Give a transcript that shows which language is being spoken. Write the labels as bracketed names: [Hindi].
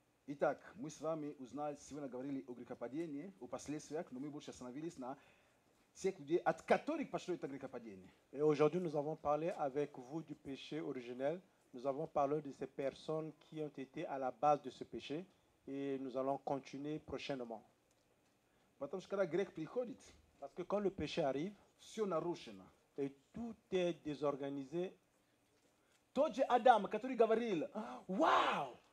[Russian] Итак, мы с вами узнали, сегодня говорили о грехопадении, о последствиях, но мы больше остановились на тех людей, от которых пошло это грехопадение. [French] Et aujourd'hui, nous avons parlé avec vous du péché originel. Nous avons parlé de ces personnes qui ont été à la base de ce péché. Et nous allons continuer prochainement. [Russian] Потому что когда грех приходит, [French] parce que quand le péché arrive, [Russian] все нарушено. [French] Et tout est désorganisé. [Russian] Тот же Адам, который говорил, «Вау!